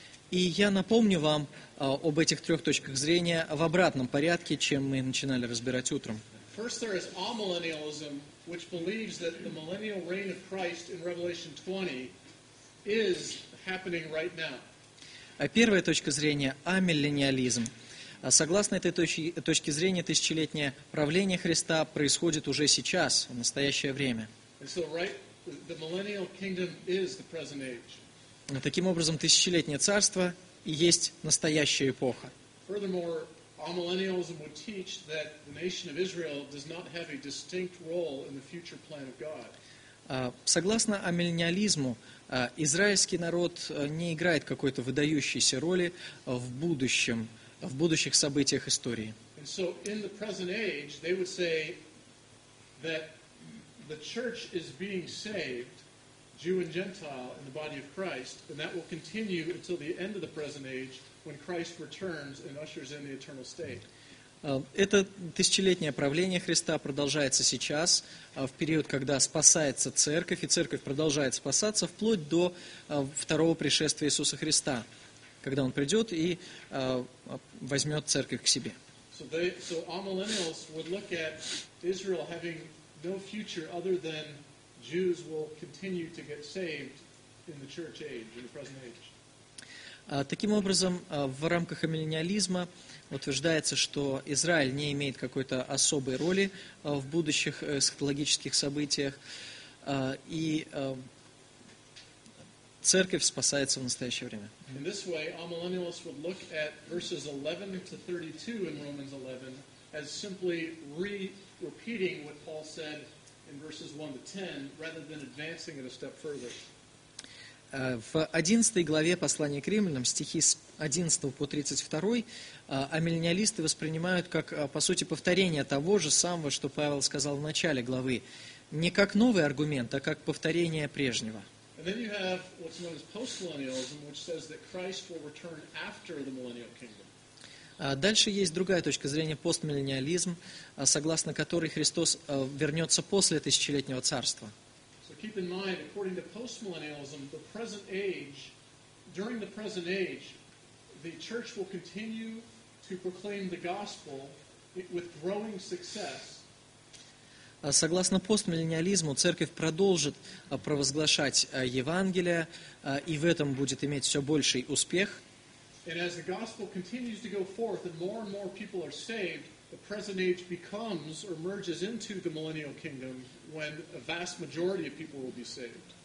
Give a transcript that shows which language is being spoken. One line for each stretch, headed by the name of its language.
Russian: И я напомню вам об этих трех точках зрения в обратном порядке, чем мы начинали разбирать утром.
English: First, there is amillennialism, which believes that the millennial reign of Christ in Revelation 20 is happening right now.
Russian: Первая точка зрения – амиллениализм. Согласно этой точке зрения, тысячелетнее правление Христа происходит уже сейчас, в настоящее время.
English: And so, right, the millennial kingdom is the present age.
Russian: Таким образом, тысячелетнее царство и есть настоящая эпоха.
English: Furthermore, amillennialism would teach that the nation of Israel does not have a distinct role in the future plan of God.
Russian: Согласно амиллениализму, израильский народ не играет какой-то выдающейся роли в будущем, в будущих событиях истории.
English: And so in the present age, they would say that the church is being saved, Jew and Gentile, in the body of Christ, and that will continue until the end of the present age, when Christ returns and ushers in the eternal state.
Russian: Это тысячелетнее правление Христа продолжается сейчас, в период, когда спасается Церковь, и Церковь продолжает спасаться вплоть до второго пришествия Иисуса Христа, когда Он придет и возьмет Церковь к себе.
English: So amillennials would look at Israel having no future other than Jews will continue to get saved in the church age, in the present age.
Russian: Таким образом, в рамках амиллениализма утверждается, что Израиль не имеет какой-то особой роли в будущих эсхатологических событиях, и Церковь спасается в настоящее время.
English: In this way, amillennialists would look at verses 11 to 32 in Romans 11 as simply repeating what Paul said in verses 1 to 10, rather than advancing it a step further.
Russian: В 11 главе послания к Римлянам, стихи с 11 по 32, амиллениалисты воспринимают как, по сути, повторение того же самого, что Павел сказал в начале главы. Не как новый аргумент, а как повторение прежнего.
English: And then you have what's known as post-millennialism, which says that Christ will return after the millennial kingdom.
Russian: Дальше есть другая точка зрения, постмиллениализм, согласно которой Христос вернется после тысячелетнего царства.
English: Keep in mind, according to postmillennialism, the present age, during the present age, the church will continue to proclaim the gospel with growing success.
Russian: Согласно постмиллениализму, церковь продолжит провозглашать Евангелие, и в этом будет иметь все больший успех.
English: And as the gospel continues to go forth and more people are saved, the present age becomes or merges into the millennial kingdom when a vast majority of people will be saved.